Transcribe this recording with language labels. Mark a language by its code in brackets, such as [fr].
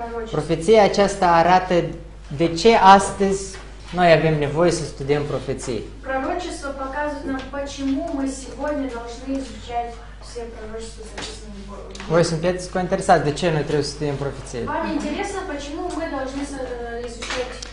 [ro] Profeția aceasta arată de ce astăzi noi avem nevoie să studiem profeții. [ru] Пророчество показывает нам, почему мы сегодня должны изучать все пророчества, записанные в Библии. [ro] Voi sunteți cu interesați, de ce noi trebuie să studiem profeții? [ru] Вам интересно, почему мы должны изучать?